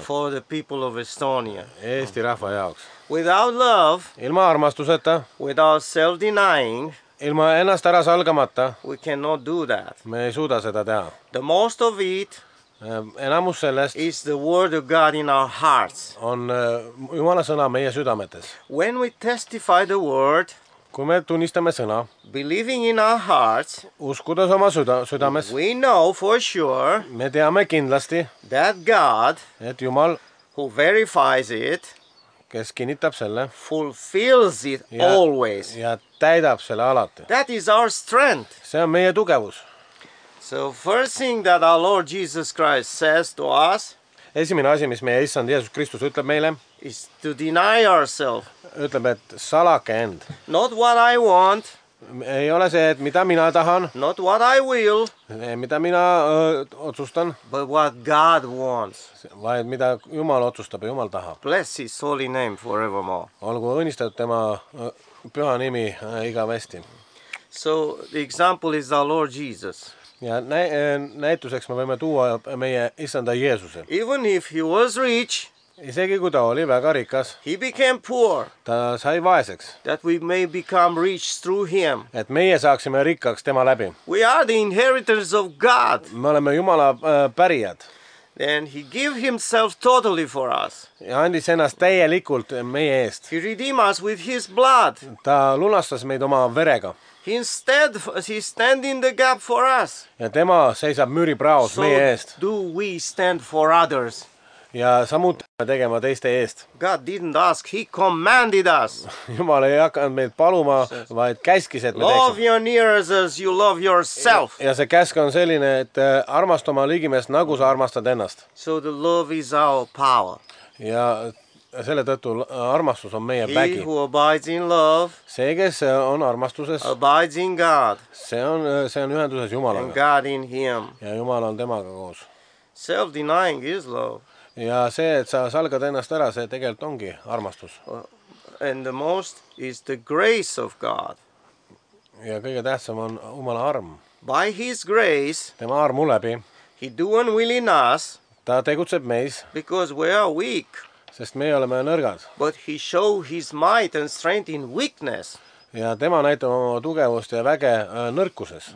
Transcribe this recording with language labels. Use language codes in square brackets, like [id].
[en] For the people of Estonia. [et] Eesti rahva jaoks. [en] Without love. [et] Ilma armastuseta. [en] Without self-denying. [et] Ilma ennast ära salgamata. [en] We cannot do that. [et] Me ei suuda seda teha. [en] The most of it. [et] Enamus sellest. [en] Is the word of God in our hearts. [et] On Jumala sõna meie südametes. [en] When we testify the word. [et] Kui me tunnistame sõna, [en] believing in our hearts, [et] uskudes oma südames, [en] we know for sure, [et] me teame kindlasti, [en] that God, [et] et Jumal, [en] who verifies it, [et] kes kinnitab selle, [en] fulfills it always. [et] Ja täidab selle alati. [en] That is our strength. [et] See on meie tugevus. [en] So first thing that our Lord Jesus Christ says to us, [et] esimene asi, mis meie Issand Jeesus Kristus ütleb meile, [en] is to deny ourselves. [et] Ütleb, et salake end. [en] Not what I want. [et] Ei ole see, et mida mina tahan. [en] Not what I will. [et] Mida mina otsustan. [en] But what God wants. [et] Vaid mida Jumal otsustab ja Jumal tahab. [en] Bless his holy name forevermore. [et] Olgu õnnistatud tema püha nimi igavesti. [en] So the example is our Lord Jesus. [et] Ja näituseks me võime tuua meie Issanda Jeesuse. [en] Even if he was rich, [et] isegi kui ta oli väga rikas, [en] he became poor, [et] ta sai vaeseks, [en] that we may become rich through him, [et] et meie saaksime rikkaks tema läbi. [en] We are the inheritors of God. [et] Me oleme Jumala pärijad. [en] Then he gave himself totally for us. [et] Ja andis ennast täielikult meie eest. [en] He redeemed us with his blood. [et] Ta lunastas meid oma verega. [en] Instead, he stand in the gap for us. [et] Ja tema seisab müüri praos meie eest. [en] So do we stand for others. [et] Ja samuti tegema teiste eest. [en] God didn't ask, he commanded us. [et] Jumal ei hakkanud meid paluma, vaid käskis, et me [en] Love your neighbors as you love yourself. [et] Ja see käsk on selline, et armastama ligimest nagu sa armastad ennast. [en] So the love is our power. [et] Ja selle tõttu armastus on meie vägi. [en] He who abides in love, [et] see, kes on armastuses, [en] abides in God. [et] See on ühenduses Jumalaga. [en] And God in him. [et] Ja Jumal on temaga koos. [en] Self-denying is love. [et] Ja see, et sa salgad ennast ära, see tegelikult ongi armastus. [en] And the most is the grace of God. [et] Ja kõige tähtsam on Jumala arm. [en] By his grace, [et] tema armu läbi, [en] he do unwilling us, [et] ta tegutseb meis, [en] because we are weak. [et] Sest me oleme nõrgad. [en] But he show his might and strength in weakness. [et] Ja tema näitab oma tugevust ja väge nõrkuses.